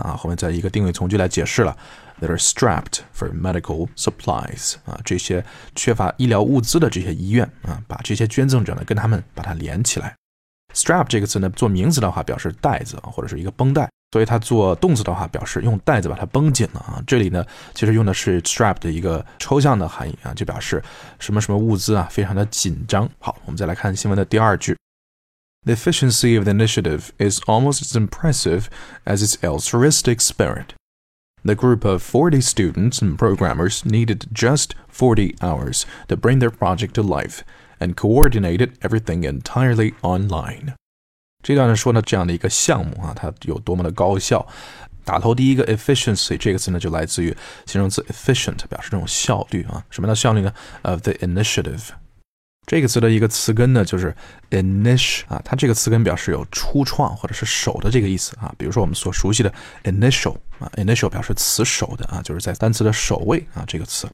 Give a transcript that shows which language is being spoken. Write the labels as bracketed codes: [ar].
[zh] 啊，后面再一个定语从句来解释了 ， [en] that are strapped for medical supplies， [zh] 啊，这些缺乏医疗物资的这些医院啊，把这些捐赠者呢跟他们把它连起来。 Strap 这个词呢，做名词的话表示带子或者是一个绷带。所以它做动词的话表示用带子把它绷紧了啊，这里呢其实用的是 strap 的一个抽象的含义啊，就表示什么什么物资啊非常的紧张。好，我们再来看新闻的第二句。 [en] The efficiency of the initiative is almost as impressive as its altruistic spirit. The group of 40 students and programmers needed just 40 hours to bring their project to life and coordinated everything entirely online. [zh] 这段呢说呢这样的一个项目啊它有多么的高效。打头第一个 efficiency, 这个词呢就来自于形容词 efficient, 表示这种效率啊。什么叫效率呢 ? [en] of the initiative. [zh] 这个词的一个词根呢就是 initial、啊、它这个词根表示有初创或者是首的这个意思、啊、比如说我们所熟悉的 initial、啊、initial 表示词首的、啊、就是在单词的首位、啊、这个词。